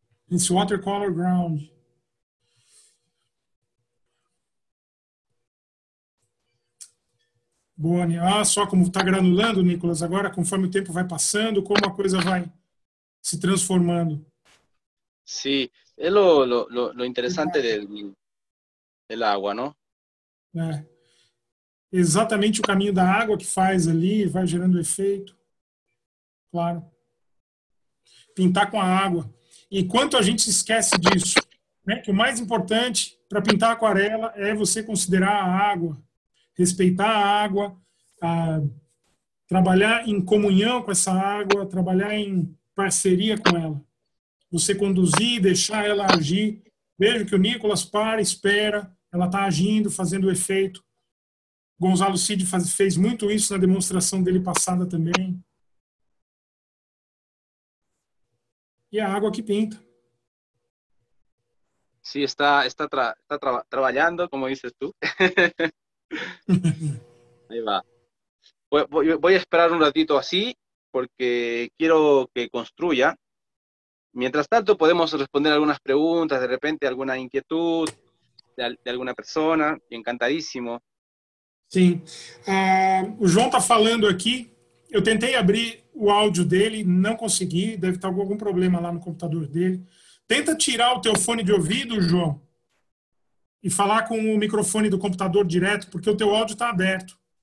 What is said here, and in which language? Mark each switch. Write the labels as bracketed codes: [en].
[en] It's watercolor ground. Boni. [pt] Ah, só como está granulando, Nicolas, agora, conforme o tempo vai passando, como a coisa vai se transformando. [es] Sí, es lo interesante del agua, ¿no? [pt] É. Exatamente o caminho da água que faz ali, vai gerando efeito. Claro. Pintar com a água. E quanto a gente esquece disso, né? Que o mais importante para pintar aquarela é você considerar a água, respeitar a água, trabalhar em comunhão com essa água, trabalhar em parceria com ela. Você conduzir, deixar ela agir. Vejo que o Nicolas para, espera. Ela está agindo, fazendo o efeito. Gonzalo Cid fez muito isso na demonstração dele passada também. E a água que pinta. Sim, está trabalhando, [es] como dices tu. [pt] Aí vai. [es] Voy a esperar un ratito así, porque quiero que construya. Mientras tanto, podemos responder algunas preguntas, de repente alguna inquietud de alguna persona. Encantadísimo. [pt] Sí. O João está falando aquí. Yo tentei abrir o áudio dele, não consegui. Deve estar algum problema lá no computador dele. Tenta tirar o teu fone de ouvido, João, e falar com o microfone do computador direto, porque o teu áudio está aberto.